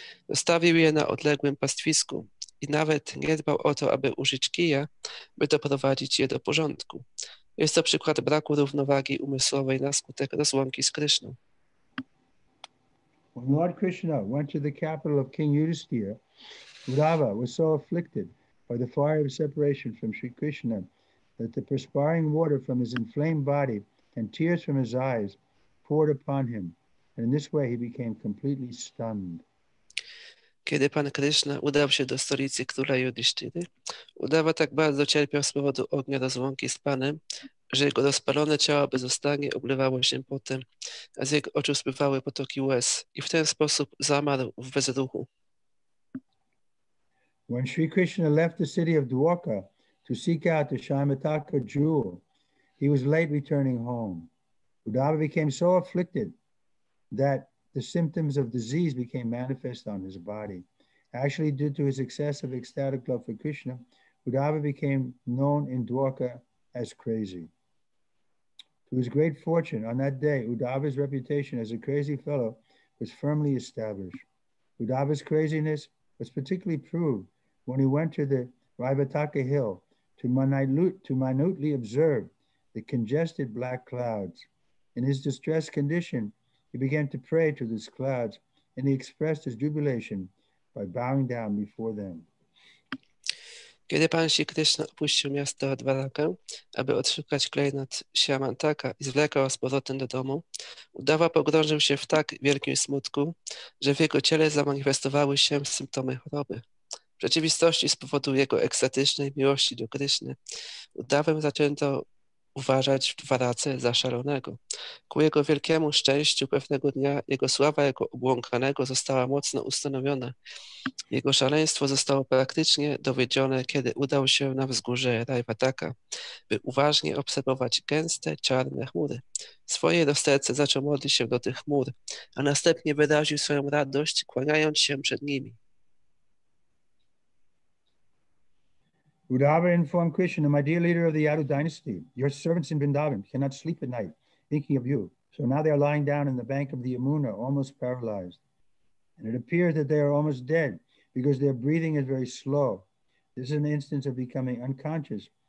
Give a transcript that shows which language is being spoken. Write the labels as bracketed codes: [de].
[pl] Zostawił je na odległym pastwisku i nawet nie dbał o to, aby użyć kija, by doprowadzić je do porządku. Jest to przykład braku równowagi umysłowej na skutek rozłąki z Krishną. [en] When Lord Krishna went to the capital of King Yudhisthira, Uddhava was so afflicted by the fire of separation from Sri Krishna that the perspiring water from his inflamed body and tears from his eyes poured upon him, and in this way he became completely stunned. [pl] Kiedy Pan Krishna udał się do stolicy króla Yudhisthiry, Uddhava tak bardzo cierpiał z powodu ognia rozłąki z Panem, że jego rozpalone ciało bez ustanki oblewało się potem, a z jego oczu spływały potoki łez i w ten sposób zamarł w bezruchu. [en] When Sri Krishna left the city of Dwarka to seek out the Shyamataka jewel, he was late returning home. Uddhava became so afflicted that the symptoms of disease became manifest on his body. Actually, due to his excessive ecstatic love for Krishna, Uddhava became known in Dwarka as crazy. To his great fortune, on that day, Uddhava's reputation as a crazy fellow was firmly established. Uddhava's craziness was particularly proved when he went to the Raivataka hill to minutely observe the congested black clouds. In his distressed condition, he began to pray to these clouds and he expressed his jubilation by bowing down before them. [pl] Kiedy Pan Sri Krishna opuścił miasto Dwarakę, aby odszukać klejnot Shyamantaka i zwlekał z powrotem do domu, Uddhava pogrążył się w tak wielkim smutku, że w jego ciele zamanifestowały się symptomy choroby. W rzeczywistości z powodu jego ekstatycznej miłości do Kryszny, Uddhavę zaczęto uważać w Dwarace za szalonego. Ku jego wielkiemu szczęściu pewnego dnia jego sława jako obłąkanego została mocno ustanowiona. Jego szaleństwo zostało praktycznie dowiedzione, kiedy udał się na wzgórze Raivataka, by uważnie obserwować gęste, czarne chmury. Swoje rozterce zaczął modlić się do tych chmur, a następnie wyraził swoją radość, kłaniając się przed nimi. [en] Uddhava informed Krishna, my dear leader of the Yadu dynasty, your servants in Vrindavan cannot sleep at night thinking of you. So now they are lying down in the bank of the Yamuna, almost paralyzed. And it appears that they are almost dead because their breathing is very slow. This is an instance of becoming unconscious